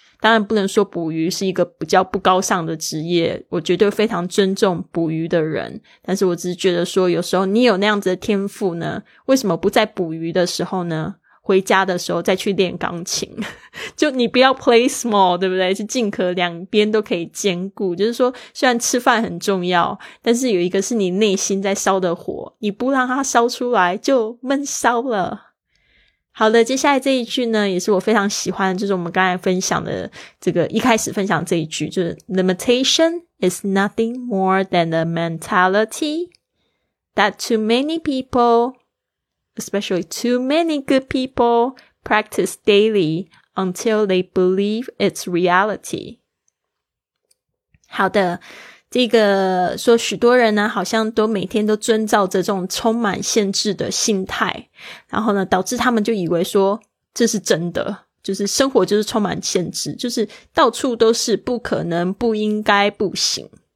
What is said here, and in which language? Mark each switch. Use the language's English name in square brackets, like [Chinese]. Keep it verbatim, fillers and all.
[Chinese] 当然不能说捕鱼是一个比较不高尚的职业，我绝对非常尊重捕鱼的人，但是我只是觉得说，有时候你有那样子的天赋呢，为什么不在捕鱼的时候呢，回家的时候再去练钢琴？就你不要 play small， 对不对？是尽可两边都可以兼顾，就是说虽然吃饭很重要，但是有一个是你内心在烧的火，你不让它烧出来就闷烧了。好的，接下来这一句呢也是我非常喜欢的，就是我们刚才分享的这个一开始分享这一句，就是 [English] Limitation is nothing more than a mentality that too many people, especially too many good people, practice daily until they believe it's reality. [Chinese] 好的，这个说许多人呢好像都每天都遵照着这种充满限制的心态，然后呢导致他们就以为说这是真的，就是生活就是充满限制，就是到处都是不可能、不应该、不行。